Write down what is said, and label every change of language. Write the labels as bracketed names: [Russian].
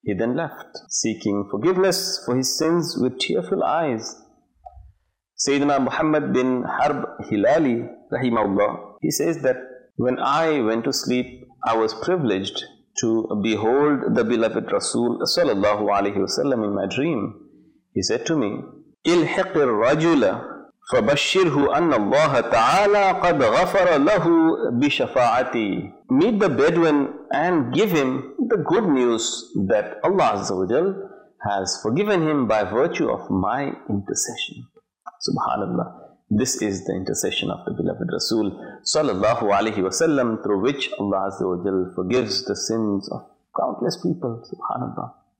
[English] He then left, seeking forgiveness for his sins with tearful eyes. Sayyidina Muhammad bin Harb Hilali, rahimahullah, he says that When I went to sleep, I was privileged to behold the beloved Rasul sallallahu alayhi wasallam in my dream. He said to me, [Arabic] إلحق الرجل فبشره أن الله تعالى قد غفر له بشفاعتي. [English] Meet the Bedouin and give him the good news that Allah Azza wa Jal has forgiven him by virtue of my intercession. Subhanallah. This is the intercession of the beloved Rasul sallallahu alayhi wa sallam, through which Allah Azza wa Jal forgives the sins of countless people. Subhanallah.